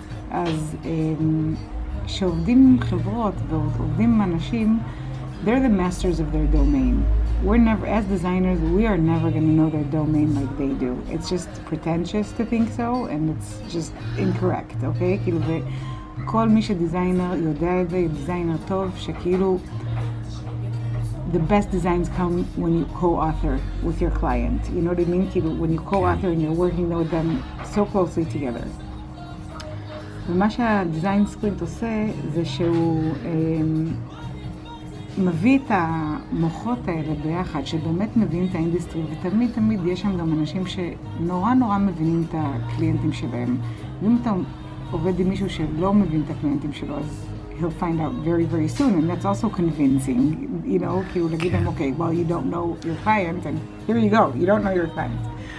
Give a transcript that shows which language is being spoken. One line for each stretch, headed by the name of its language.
Hebrew: אז כשעובדים חברות ועובדים אנשים,
English: they're the masters of their domain. As designers, we are never going to know their domain like they do. It's just pretentious to think so, and it's just incorrect, okay?
Hebrew: כאילו, וכל מי שדיזיינר יודע את זה, דיזיינר טוב, שכאילו,
English: the best designs come when you co-author with your client. You know what I mean? כאילו, when you co-author and you're working with them so closely together.
Hebrew: ומה שהדיזיין ספרינט עושה, זה שהוא מביא את המוחות האלה ביחד, שבאמת מביאים את האינדסטרי, ותמיד תמיד יש שם גם אנשים שנורא נורא מבינים את הקליינטים שלהם. ואם אתה עובד עם מישהו שלא מבין את הקליינטים שלו, אז
English: he'll find out very very soon, and that's also convincing, you know,
Hebrew: כי הוא להגיד להם,
English: okay, well, you don't know your client, and here you go, you don't know your client.